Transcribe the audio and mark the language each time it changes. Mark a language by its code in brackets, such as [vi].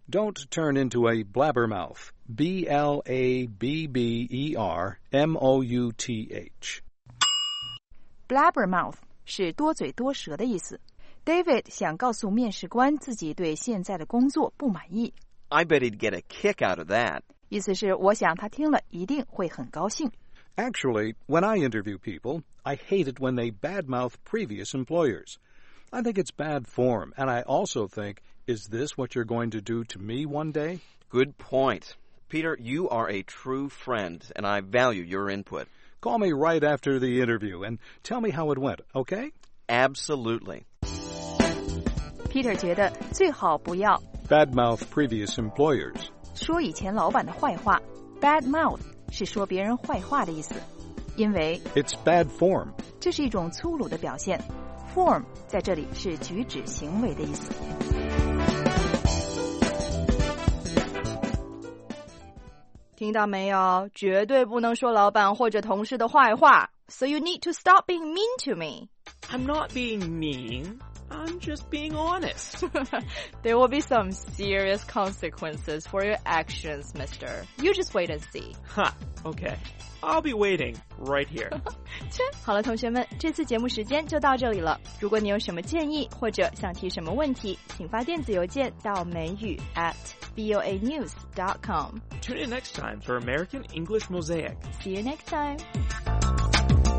[en] Don't turn into a blabbermouth. B-L-A-B-B-E-R-M-O-U-T-H. [zh] Blabbermouth 是多嘴多舌的意思。David 想告诉面试官自己对现在的工作不满意。 [en] I bet he'd get a kick out of that. [zh] 意思是我想他听了一定会很高兴。 [en] Actually, when I interview people, I hate it when they badmouth previous employers. I think it's bad form, and I also think, is this what you're going to do to me one day? Good point. Peter, you are a true friend, and I value your input. Call me right after the interview and tell me how it went, okay? Absolutely. [zh] Peter 觉得最好不要 [en] badmouth previous employers [zh] 说以前老板的坏话 badmouth 是说别人坏话的意思因为 [en] it's bad form [zh] 这是一种粗鲁的表现 form 在这里是举止行为的意思听到没有绝对不能说老板或者同事的坏话 [en] so you need to stop being mean to me I'm not being meanI'm just being honest. There will be some serious consequences for your actions, mister. You just wait and see. Okay. I'll be waiting right here. [zh] 好了，同学们，这次节目时间就到这里了。如果你有什么建议或者想提什么问题，请发电子邮件到美语@voanews.com. [en] Tune in next time for American English Mosaic. See you next time.